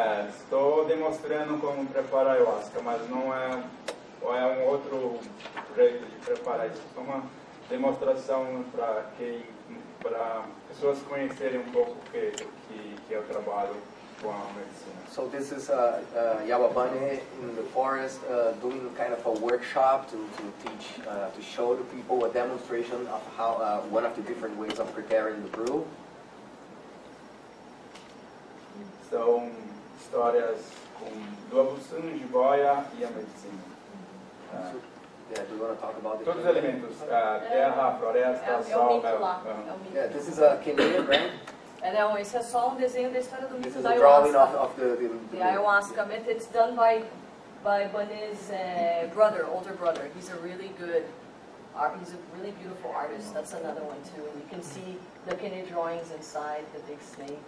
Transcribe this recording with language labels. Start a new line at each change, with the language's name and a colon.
Portuguese: Estou demonstrando como preparar a ayahuasca, mas não é, ou é um outro jeito de preparar isso. É uma demonstração para pessoas conhecerem um pouco o que é o trabalho.
English: So this is a Yawabane in the forest doing kind of a workshop to show the people a demonstration of how one of the different ways of preparing the brew.
Portuguese: São histórias com do abusão, jiboia e a medicina.
English: Yeah, do you want to talk about the
Portuguese: todos elementos, terra, floresta, sol,
English: yeah, this is a Kenyan brand.
Portuguese: Não, esse é só desenho da história do mito da ayahuasca.
English: The ayahuasca myth. It's done by Bunny's older brother. He's a really good art. He's a really beautiful artist. That's another one too. And you can see the Kenyan drawings inside the big snake.